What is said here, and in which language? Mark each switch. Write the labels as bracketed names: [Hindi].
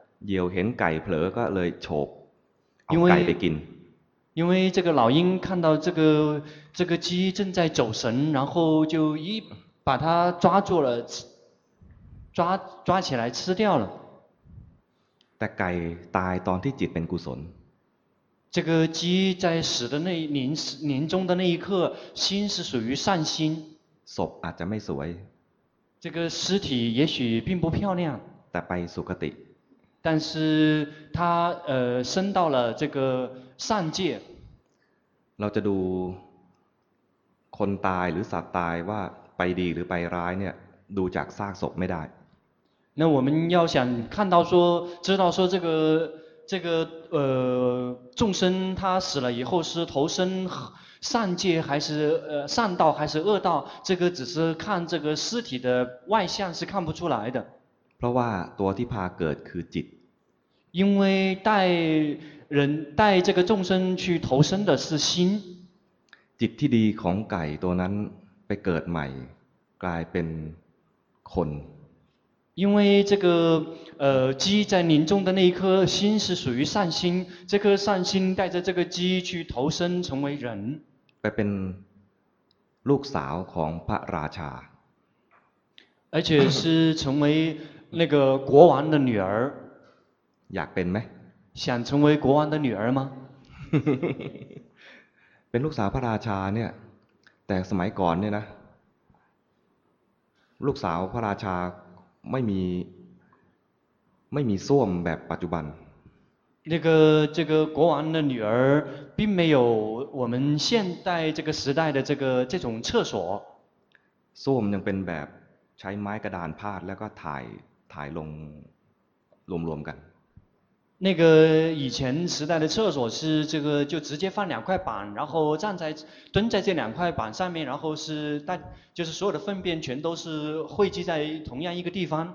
[Thai] 有เห็นไก่เผลอก็เลยโฉบเอาไก่ไปกิน [Chinese] 因为这个老鹰看到这个鸡正在走神，然后就一把它抓住了，抓起来吃掉了。 [Thai] แต่ไก่ตายตอนที่จิตเป็นกุศล。 [Chinese] 这个鸡在死的那临终的那一刻，心是属于善心。 [Thai] ศพอาจจะไม่สวย。 [Chinese] 这个尸体也许并不漂亮。 [Thai] แต่ไปสุคติ。 [Chinese] 但是他升到了这个善界。 [Thai] เราจะดูคนตายหรือสัตว์ตายว่าไปดีหรือไปร้ายเนี่ยดูจากซากศพไม่ได้ [Chinese] 那我们要想看到说知道说这个众生他死了以后是投生善界还是善道还是恶道这个只是看这个尸体的外相是看不出来的 [Thai] เพราะว่าตัวที่พาเกิดคือจิต [Chinese] 因为带人带这个众生去投生的是心 [Thai] จิตที่ดีของไก่ตัวนั้นไปเกิดใหม่กลายเป็นคน [Chinese] 因为这个鸡在临终的那一颗心是属于善心这颗善心带着这个鸡去投身成为人 [Thai] ไปเป็นลูกสาวของพระราชา [Chinese] 而且是成为那个国王的女儿 [Thai] อยากเป็นไหม [Chinese] 想成为国王的女儿吗 [Thai] เป็นลูกสาวพระราชาเนี่ยแต่สมัยก่อนเนี่ยนะลูกสาวพระราชาไม่มีส้วมแบบปัจจุบัน [Chinese] 这个国王的女儿并没有我们现代这个时代的这种厕所 [Thai] ส้วมยังเป็นแบบใช้ไม้กระดานพาดแล้วก็ถ่ายลงรวมๆกัน [Chinese] 那个以前时代的厕所是这个就直接放两块板然后站在蹲在这两块板上面然后是带就是所有的粪便全都是汇集在同样一个地方